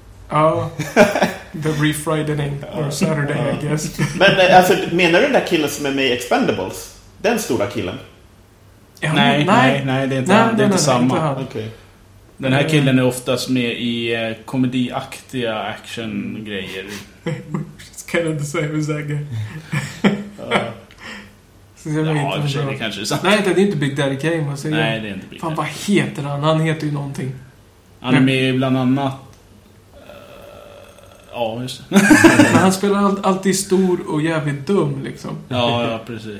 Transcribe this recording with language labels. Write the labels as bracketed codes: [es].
[en] Ja. The refridening or Saturday, I guess. [sv] Men alltså, menar du den där killen som är med i Expendables? Den stora killen? Ja, nej, det är inte, han. Det är inte samma. Det är inte han. Okay. Den här killen är oftast med i komediaktiga action-grejer. [en] It's kind of the same as that guy. [sv] Så ja, det kanske är sant. Nej, det är inte Big Daddy Kane. Alltså, nej, det är inte Big Daddy. Fan, vad heter han? Han heter ju någonting. Han är med bland annat... ja, just det. Han spelar alltid stor och jävligt dum, liksom. Ja, precis.